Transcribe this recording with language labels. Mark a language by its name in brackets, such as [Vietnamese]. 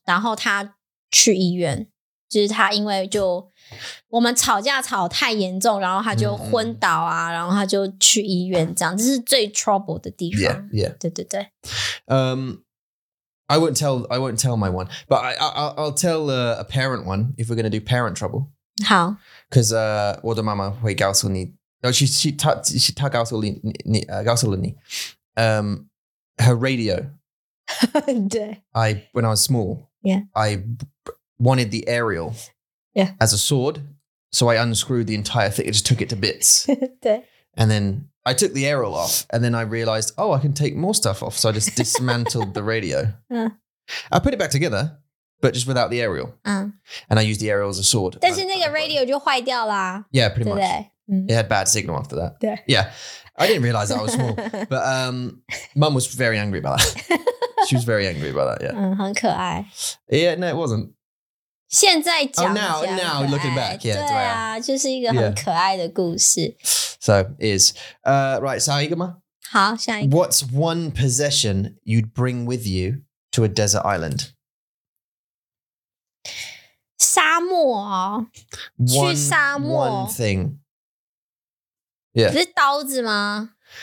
[Chinese] 然后她去医院, 就是他因为就我们吵架吵太严重，然后他就昏倒啊， mm-hmm. 然后他就去医院这样，这是最 trouble 的地方。 [English] Yeah, yeah. [Chinese] 对对对。 [English] I won't tell my one, but I'll tell a parent one if we're gonna do parent trouble. [Chinese] 好。 [English] Because [Chinese] 我的妈妈会告诉你， she告诉了你， [English] her radio. [Chinese] 对。 [English] When I was small. Yeah. I wanted the aerial. Yeah. As a sword. So I unscrewed the entire thing. I just took it to bits. And then I took the aerial off. And then I realized, oh, I can take more stuff off. So I just dismantled the radio. I put it back together, but just without the aerial. And I used the aerial as a sword. [Chinese] 但是那个radio就坏掉了。 [English] Yeah, pretty much. It had bad signal after that. Yeah. I didn't realize that I was small. But mum was very angry about that. She was very angry about that, yeah. [Chinese] 很可爱。 [English] Yeah, no, it wasn't. [Chinese] 现在讲, [English] oh, now, looking back, yeah. [Chinese] 对啊, 就是一个很可爱的故事。 [English] So, is. Right, [Chinese] 下一个吗? 好, 下一个。 [English] What's one possession you'd bring with you to a desert island? [Chinese] 沙漠哦。 [English] One thing. Yeah. [Chinese] Is it 刀子吗?